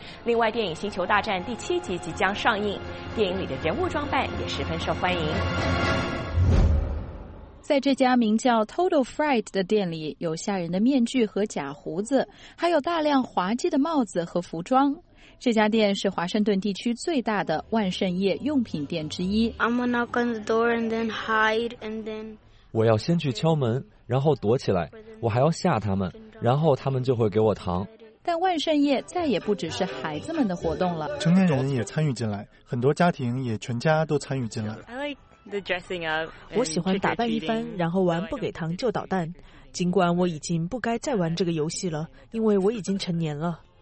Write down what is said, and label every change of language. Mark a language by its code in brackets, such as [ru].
[zh] 另外，电影《星球大战》第7集即将上映，电影里的人物装扮也十分受欢迎。在这家名叫 Total Fright 的店里，有吓人的面具和假胡子，还有大量滑稽的帽子和服装。这家店是华盛顿地区最大的万圣夜用品店之一。 [en] I'm gonna knock on the door and then hide and then. [zh] 我要先去敲门，然后躲起来。我还要吓他们，然后他们就会给我糖。但万圣夜再也不只是孩子们的活动了，成年人也参与进来，很多家庭也全家都参与进来。 [en] I like the dressing up. [zh] 我喜欢打扮一番，然后玩不给糖就捣蛋。尽管我已经不该再玩这个游戏了，因为我已经成年了。